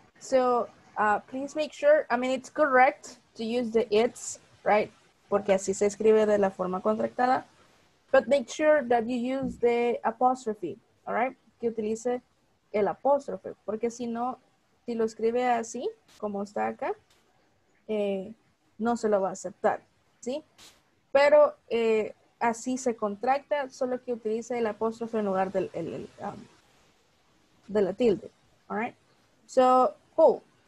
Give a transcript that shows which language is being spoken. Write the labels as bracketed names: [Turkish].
[English] So, please make sure, I mean, it's correct to use the it's, right? [Spanish] Porque así se escribe de la forma contractada. [English] But make sure that you use the apostrophe, all right? [Spanish] Que utilice el apóstrofe. Porque si no, si lo escribe así, como está acá, no se lo va a aceptar, ¿sí? Pero, así se contracta, solo que utiliza el apóstrofe en lugar del de la tilde. [English] Alright. So, cool.